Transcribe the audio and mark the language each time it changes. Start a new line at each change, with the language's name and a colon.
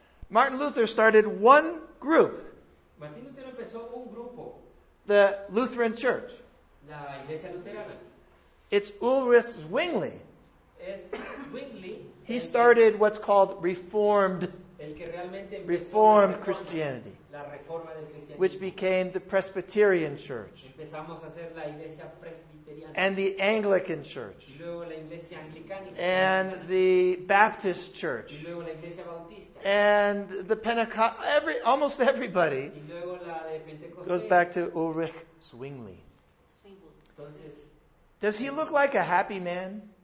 English: Martin Luther started one group.
Spanish: Martin Luther empezó un grupo.
English: The Lutheran Church.
Spanish: La iglesia luterana.
English: It's Ulrich Zwingli.
Spanish: Es Zwingli.
English: He started what's called Reformed,
Spanish: el que realmente empezó
English: Reformed Christianity.
Spanish: La reforma del cristianismo.
English: Which became the Presbyterian Church.
Spanish: Empezamos a hacer la iglesia presbiteriana.
English: And the Anglican Church.
Spanish: Y luego la iglesia anglicana.
English: And the Baptist Church.
Spanish: Y luego la iglesia bautista.
English: And the Pentecost, almost everybody
Spanish: y luego la de Pentecostés.
English: Goes back to Ulrich Zwingli.
Spanish: Entonces,
English: does he look like a happy man?